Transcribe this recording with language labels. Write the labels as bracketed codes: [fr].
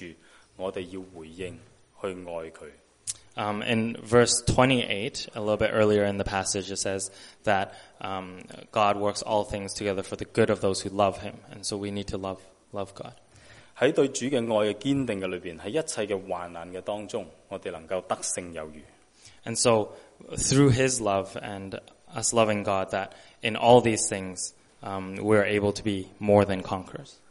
[zh] 在第28节的那里说到，叫爱神的人得益处，我们要回应去爱他。 [en] In verse 28, a little bit earlier in the passage, it says that God works all things together for the good of those who love him. And so we need to love God. [zh] 在对主的爱的坚定里面，在一切的患难的当中，我们能够得胜有余。 [en] And so, through his love and us loving God, that in all these things, we are able to be more than conquerors.